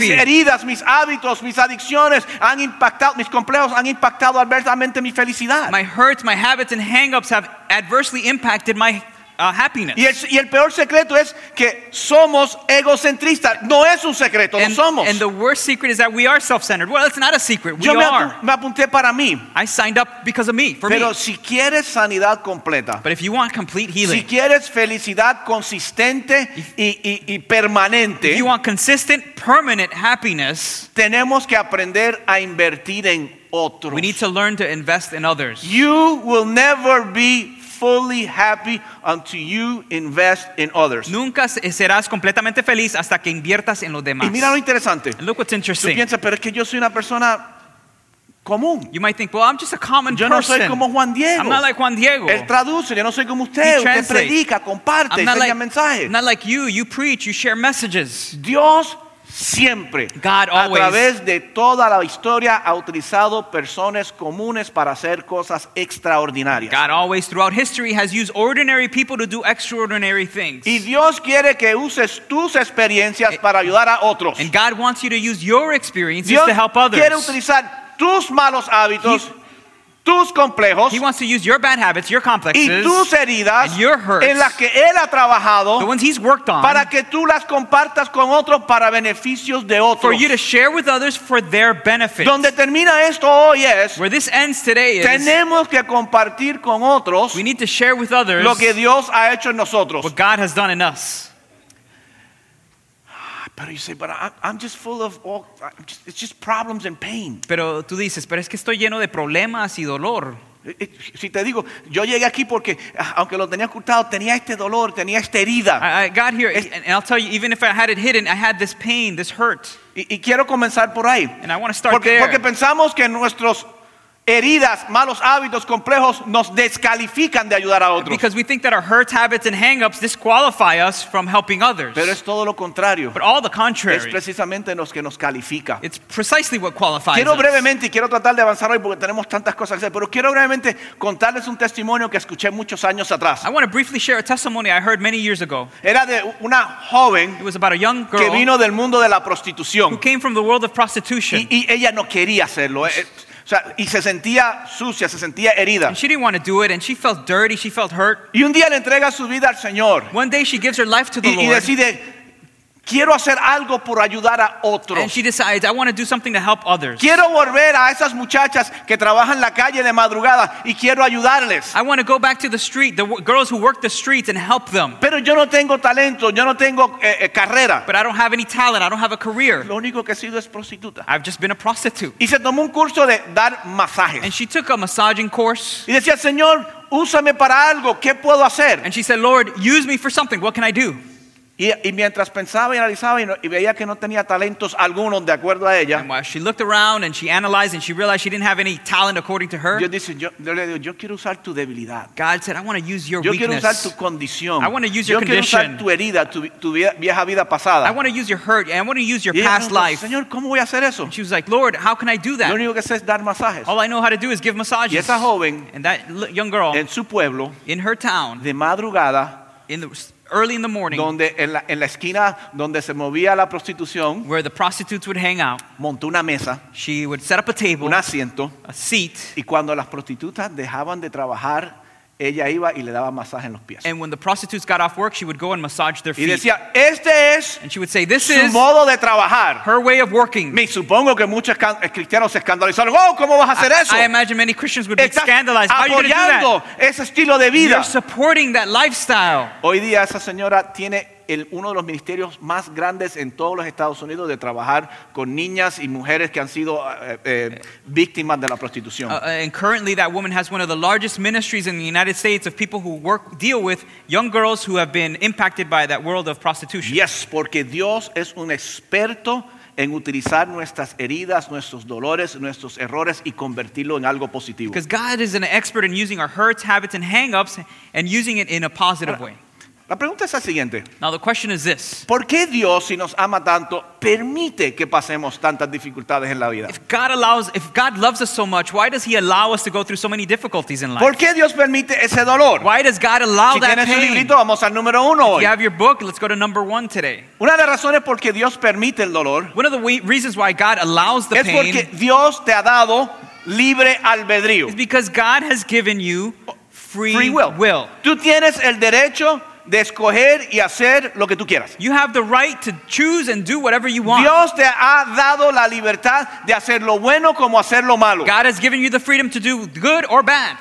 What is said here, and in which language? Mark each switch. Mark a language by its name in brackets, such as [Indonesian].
[Spanish] Mis heridas, mis hábitos, mis adicciones han impactado, mis complejos han impactado adversamente mi felicidad. [English] My hurts, my habits and hang-ups have adversely impacted my happiness. [Spanish] Y el peor secreto es que somos egocentristas. No es un secreto, [English] and, [Spanish] no somos. [English] And the worst secret is that we are self-centered. Well, it's not a secret. We [Spanish] Yo me [English] are. [Spanish] Me apunté para mí. [English] I signed up because of me, for [Spanish] Pero [English] me. [Spanish] Si quieres sanidad completa, [English] but if you want complete healing, [Spanish] si quieres felicidad consistente y permanente, [English] if you want consistent, permanent happiness, [Spanish] tenemos que aprender a invertir en otros. [English] We need to learn to invest in others. You will never be fully happy until you invest in others. [Spanish] Nunca serás completamente feliz hasta que inviertas en los demás. Y mira lo interesante. [English] And look what's interesting. [Spanish] Tú piensas, pero es que yo soy una persona común. [English] You might think, well, I'm just a common [Spanish] yo [English] person. [Spanish] Yo no soy como Juan Diego. [English] I'm not like Juan Diego. [Spanish] Él traduce, yo no soy como usted. [English] He translates. [Spanish] Usted predica, comparte, enseña [English] like, [Spanish] mensajes. [English] I'm not like you. You preach, you share messages. [Spanish] Dios siempre, [English] God always, [Spanish] a través de toda la historia, ha utilizado personas comunes para hacer cosas extraordinarias. [English] God always, throughout history, has used ordinary people to do extraordinary things. [Spanish] Y Dios quiere que uses tus experiencias para ayudar a otros. [English] And God wants you to use your experiences [Spanish] Dios [English] to help others. [Spanish] Dios quiere utilizar tus malos hábitos. Tus complejos, [English] he wants to use your bad habits, your complexes, [Spanish] y tus heridas, [English] and your hurts, [Spanish] en las que él ha trabajado, [English] the ones he's worked on, [Spanish] para que tú las compartas con otros para beneficios de otros. [English] For you to share with others for their benefit. [Spanish] Donde termina esto hoy es, [English] where this ends today is, [Spanish] tenemos que compartir con otros, [English] we need to share with others, [Spanish] lo que Dios ha hecho en nosotros, [English] what God has done in us. [Spanish] Pero [English] you say, but I'm just full of all, it's just problems and pain. [Spanish] Pero tú dices, pero es que estoy lleno de problemas y dolor. Si te digo, yo llegué aquí porque aunque lo tenía ocultado, tenía este dolor, tenía esta herida. [English] I got here, and I'll tell you, even if I had it hidden, I had this pain, this hurt. [Spanish] Y quiero comenzar por ahí. [English] And I want to start [Spanish] porque, [English] there. [Spanish] Porque pensamos que nuestros heridas, malos hábitos, complejos nos descalifican de ayudar a otros. [English] Because we think that our hurts, habits, and hang-ups disqualify us from helping others. [Spanish] Pero es todo lo contrario. [English] But all the contrary. [Spanish] Es precisamente los que nos califica. [English] It's precisely what qualifies [Spanish] quiero [English] us. [Spanish] Quiero brevemente, y quiero tratar de avanzar hoy porque tenemos tantas cosas que hacer, pero quiero brevemente contarles un testimonio que escuché muchos años atrás. [English] I want to briefly share a testimony I heard many years ago. [Spanish] Era de una joven. [English] It was about a young girl [Spanish] que vino del mundo de la prostitución. [English] Who came from the world of prostitution. [Spanish] Y ella no quería hacerlo. O sea, y se sentía sucia, se sentía herida. [English] And she didn't want to do it, and she felt dirty, she felt hurt. [Spanish] Y un día le entrega su vida al Señor. [English] One day she gives her life to the Lord. [Spanish] Y decide, quiero hacer algo por ayudar a otros. [English] And she decides, I want to do something to help others. [Spanish] Quiero volver a esas muchachas que trabajan la calle de madrugada y quiero ayudarles. [English] I want to go back to the street, the girls who work the streets and help them. [Spanish] Pero yo no tengo talento, yo no tengo carrera. [English] But I don't have any talent, I don't have a career. [Spanish] Lo único que he sido es prostituta. [English] I've just been a prostitute. [Spanish] Y se tomó un curso de dar masajes. [English] And she took a massaging course. [Spanish] Y decía, Señor, úsame para algo, ¿qué puedo hacer? [English] And she said, Lord, use me for something, what can I do? [Spanish] Y mientras pensaba y analizaba y veía que no tenía talentos alguno de acuerdo a ella. [English] And while she looked around and she analyzed and she realized she didn't have any talent according to her. [Spanish] Yo quiero usar tu debilidad. [English] God said, I want to use your weakness. [Spanish] Yo quiero usar tu condición. [English] I want to use your condition. [Spanish] Yo quiero usar tu herida, tu vieja vida pasada. [English] I want to use your hurt and I want to use your past life. [Spanish] Señor, ¿cómo voy a hacer eso? [English] And she was like, Lord, how can I do that? [Spanish] Lo único que sé es dar masajes. [English] All I know how to do is give massages. [Spanish] Y esa joven, [English] and that young girl, [Spanish] en su pueblo, [English] in her town, [Spanish] de madrugada, [English] in the early in the morning, [Spanish] donde en la esquina donde se movía la prostitución, [English] where the prostitutes would hang out, [Spanish] montó una mesa, [English] she would set up a table, [Spanish] un asiento, [English] a seat, [Spanish] y cuando las prostitutas dejaban de trabajar, ella iba y le daba masaje en los pies. [English] And when the prostitutes got off work, she would go and massage their feet. [Spanish] Y decía, este es, [English] and she would say, this is [Spanish] su modo de trabajar. [English] Her way of working. [Spanish] Me supongo que muchos cristianos se escandalizaron. Oh, ¿cómo vas a hacer eso? [English] I imagine many Christians would be scandalized. How are you going to do that? [Spanish] Apoyando ese estilo de vida. [English] You're supporting that lifestyle. [Spanish] Hoy día esa señora tiene uno de los ministerios más grandes en todos los Estados Unidos de trabajar con niñas y mujeres que han sido víctimas de la prostitución. [English] And currently that woman has one of the largest ministries in the United States of people who work deal with young girls who have been impacted by that world of prostitution. Yes, [Spanish] porque Dios es un experto en utilizar nuestras heridas, nuestros dolores, nuestros errores y convertirlo en algo positivo. [English] Because God is an expert in using our hurts, habits and hang-ups and using it in a positive way. [Spanish] La pregunta es la siguiente. [English] Now the question is this. [Spanish] ¿Por qué Dios, si nos ama tanto, permite que pasemos tantas dificultades en la vida? [English] If God loves us so much, why does he allow us to go through so many difficulties in life? [Spanish] ¿Por qué Dios permite ese dolor? [English] Why does God allow that pain? [Spanish] Si tienes un librito, vamos al número uno hoy. [English] If you have your book, let's go to number one today. [Spanish] Una de las razones por qué Dios permite el dolor. [English] One of the reasons why God allows the pain. [Spanish] Es porque Dios te ha dado libre albedrío. [English] It's because God has given you free will. [Spanish] Tú tienes el derecho de escoger y hacer lo que tú quieras. [English] You have the right to choose and do whatever you want. [Spanish] Dios te ha dado la libertad de hacer lo bueno como hacer lo malo. [English] God has given you the freedom to do good or bad.